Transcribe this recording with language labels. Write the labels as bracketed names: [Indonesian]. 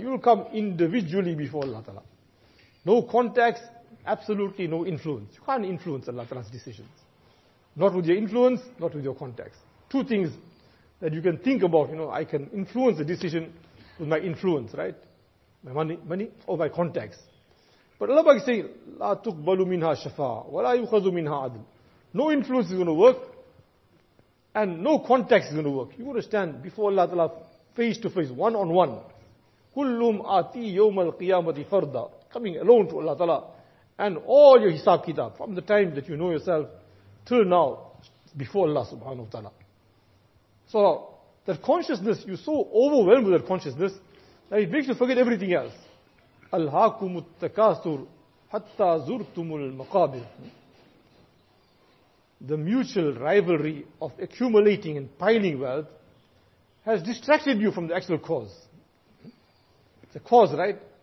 [English] You will come individually before Allah Ta'ala. No contacts, absolutely no influence. You can't influence Allah Ta'ala's decisions. Not with your influence, not with your contacts. Two things that you can think about, you know, I can influence the decision with my influence, right? My money or my contacts. But Allah is saying, [Arabic] لا تقبل منها شفاعة ولا يخذ منها عدل. [English] No influence is going to work, and no contact is going to work. You understand? Before Allah Ta'ala, face to face, one on one. [Arabic] كلهم آتي يوم القيامة فردا. [English] Coming alone to Allah Ta'ala, and all your hisab kitab from the time that you know yourself till now, before Allah Subhanahu Wa Ta'ala. So that consciousness, you're so overwhelmed with that consciousness that it makes you forget everything else. [Arabic] الهاكم التكاثر حتى زرتم المقابر. [English] The mutual rivalry of accumulating and piling wealth has distracted you from the actual cause. It's a cause, right?